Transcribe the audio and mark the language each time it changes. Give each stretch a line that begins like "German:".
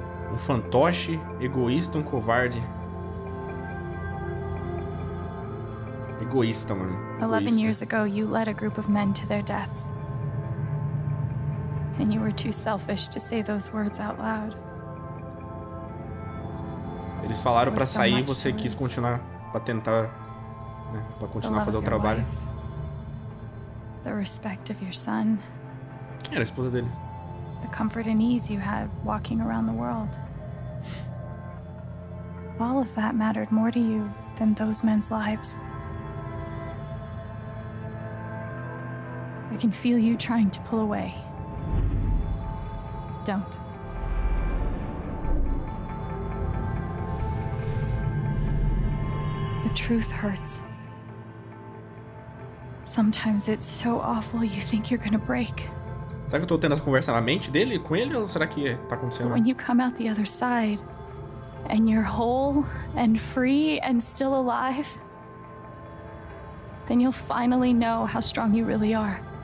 Portuguese: Um fantoche, egoísta, um covarde. Egoísta, mano. Egoísta.
English: 11 years ago, you led a group of men to their deaths. And you were too selfish to say those words out loud.
Portuguese: Eles falaram pra sair e você quis continuar pra tentar, né, pra continuar fazer o trabalho.
English: The respect of your son.
Portuguese: Quem era a esposa dele?
English: The comfort and ease you had walking around the world. All of that mattered more to you than those men's lives. I can feel you trying to pull away. Don't. The truth hurts. Sometimes it's so awful you think you're gonna break.
Portuguese: Será que eu tô tendo essa conversa na mente dele, com ele, ou será que tá acontecendo?
English: When you come out the other side, and you're whole, and free, and still alive, then you'll finally know how strong you really are.